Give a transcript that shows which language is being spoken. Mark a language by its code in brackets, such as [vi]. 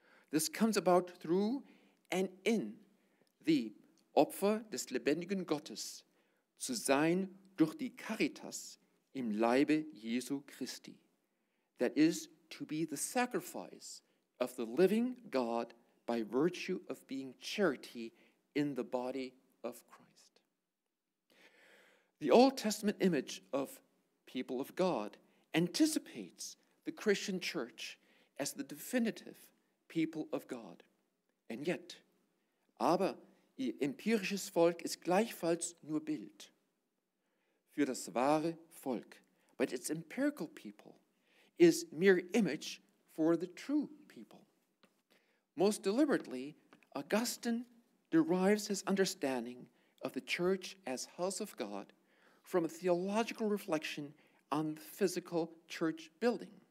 [en] This comes about through and in the [de] Opfer des lebendigen Gottes zu sein durch die Caritas im Leibe Jesu Christi, [en] that is, to be the sacrifice of the living God by virtue of being charity in the body of Christ. The Old Testament image of people of God anticipates the Christian church as the definitive people of God. And yet, [de] aber ihr empirisches Volk ist gleichfalls nur Bild für das wahre Volk. [en] But its empirical people is mere image for the true people. Most deliberately, Augustine derives his understanding of the church as house of God from a theological reflection on the physical church building.